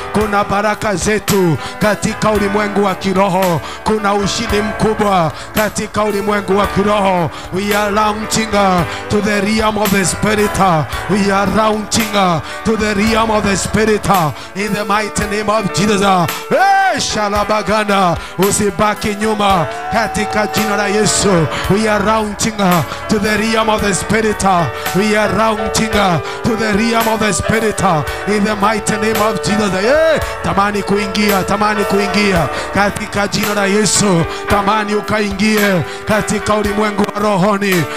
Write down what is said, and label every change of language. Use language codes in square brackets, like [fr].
[sw] Kuna baraka zetu katika ulimwengu wa kiroho. Kuna ushindi mkubwa katika ulimwengu wa kiroho. [en] We are launching to the realm of the spirit. We are launching to the realm of the spirit in the mighty name of Jesus. [sw] Hey, shalabagana. Usibaki nyuma katika jina la Yesu. [en] We are launching to the realm of the spirit. We are launching to the realm of the spirit in the mighty name of Jesus. [sw] Hey, tamani kuingia, tamani kuingia katika jina la Yesu. Tamani ukaingie katika ulimwengu wa rohoni.